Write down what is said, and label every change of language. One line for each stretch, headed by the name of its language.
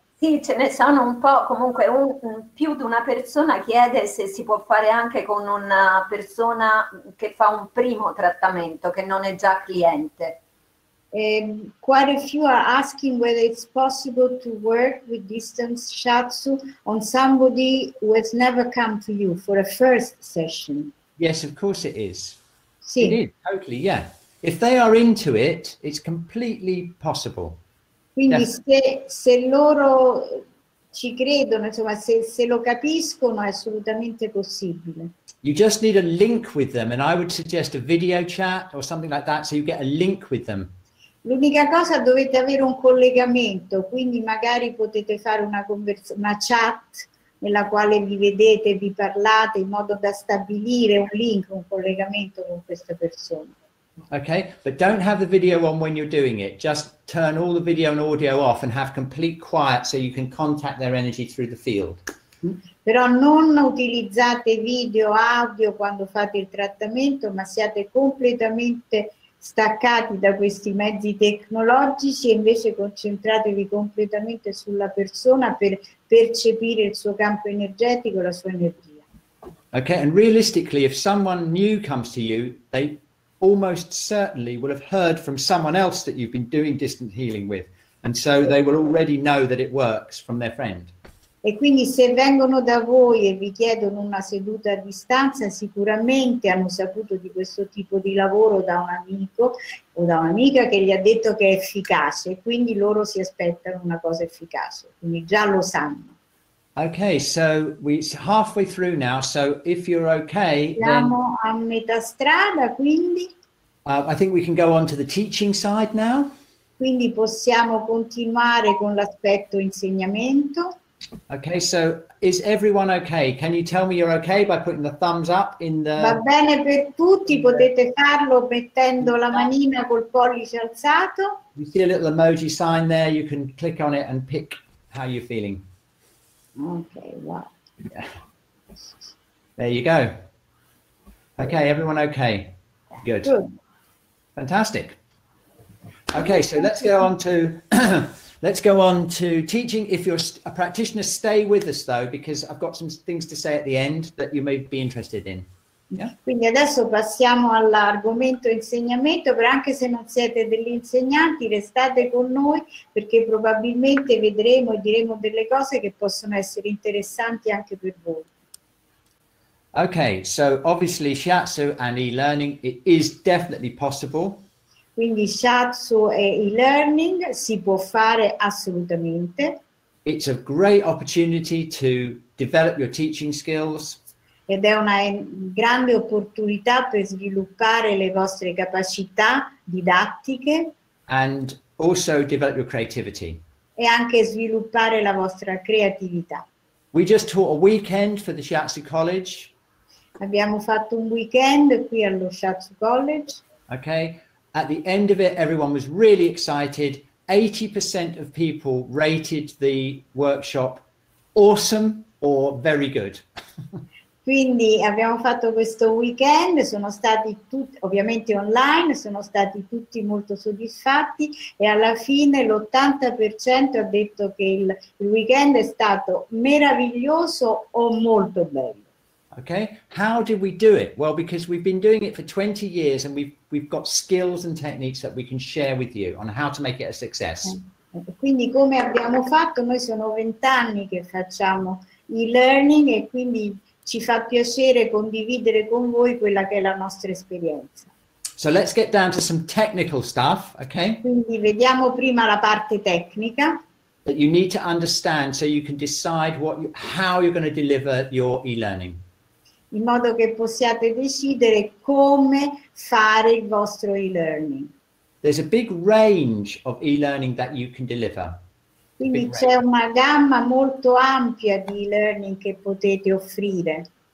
Italian: Sì, ce ne sono un po', comunque più di una persona chiede se si può fare anche con una persona che fa un primo trattamento, che non è già cliente.
English: Quite a few are asking whether it's possible to work with distance shiatsu on somebody who has never come to you for a first session. Yes, of course it is.
Italian: Sì.
English: It is, totally, yeah. If they are into it, it's completely possible.
Italian: Quindi se loro ci credono, insomma, se lo capiscono, è assolutamente possibile.
English: You just need a link with them, and I would suggest a video chat or something like that, so you get a link with them.
Italian: L'unica cosa, dovete avere un collegamento, quindi magari potete fare una chat nella quale vi vedete, vi parlate, in modo da stabilire un link, un collegamento con questa persona.
English: Okay, but don't have the video on when you're doing it. Just turn all the video and audio off and have complete quiet so you can contact their energy through the field.
Italian: Però non utilizzate video, audio quando fate il trattamento, ma siate completamente staccati da questi mezzi tecnologici e invece concentratevi completamente sulla persona per percepire il suo campo energetico, la sua energia.
English: Okay, and realistically, if someone new comes to you, they almost certainly will have heard from someone else that you've been doing distant healing with, and so they will already know that it works from their friend.
Italian: E quindi se vengono da voi e vi chiedono una seduta a distanza, sicuramente hanno saputo di questo tipo di lavoro da un amico o da un'amica che gli ha detto che è efficace, quindi loro si aspettano una cosa efficace, quindi già lo sanno.
English: Okay, so we're halfway through now, so if you're okay,
Italian: siamo
English: then
Italian: a metà strada, quindi
English: I think we can go on to the teaching side now.
Italian: Quindi possiamo continuare con l'aspetto insegnamento.
English: Okay, so is everyone okay? Can you tell me you're okay by putting the thumbs up in the...
Italian: Va bene per tutti, potete farlo mettendo la manina col pollice alzato.
English: You see a little emoji sign there, you can click on it and pick how you're feeling. Okay, yeah. There you go. Okay, everyone okay? Good. Fantastic. Okay, so let's go on to teaching. If you're a practitioner, stay with us though, because I've got some things to say at the end that you may be interested in. Yeah.
Italian: Quindi adesso passiamo all'argomento insegnamento, però anche se non siete degli insegnanti, restate con noi, perché probabilmente vedremo e diremo delle cose che possono essere interessanti anche per voi.
English: Okay, so obviously shiatsu and e-learning, it is definitely possible.
Italian: Quindi shiatsu e e-learning si può fare assolutamente.
English: It's a great opportunity to develop your teaching skills.
Italian: Ed è una grande opportunità per sviluppare le vostre capacità didattiche.
English: And also develop your creativity.
Italian: E anche sviluppare la vostra creatività.
English: We just taught a weekend for the Shiatsu College.
Italian: Abbiamo fatto un weekend qui allo Shiatsu College.
English: Okay. At the end of it, everyone was really excited. 80% of people rated the workshop awesome or very good.
Italian: Quindi abbiamo fatto questo weekend, sono stati tutti, ovviamente online, sono stati tutti molto soddisfatti e alla fine l'80% ha detto che il weekend è stato meraviglioso o molto bello.
English: Okay, how did we do it? Well, because we've been doing it for 20 years and we've got skills and techniques that we can share with you on how to make it a success.
Italian: Quindi come abbiamo fatto? Noi sono 20 anni che facciamo e-learning e quindi ci fa piacere condividere con voi quella che è la nostra esperienza.
English: So let's get down to some technical stuff, okay?
Italian: Quindi vediamo prima la parte tecnica.
English: That you need to understand so you can decide how you're going to deliver your e-learning.
Italian: In modo che possiate decidere come fare il vostro e-learning.
English: There's a big range of e-learning that you can deliver.
Italian: Quindi c'è una gamma molto ampia di e-learning che potete offrire.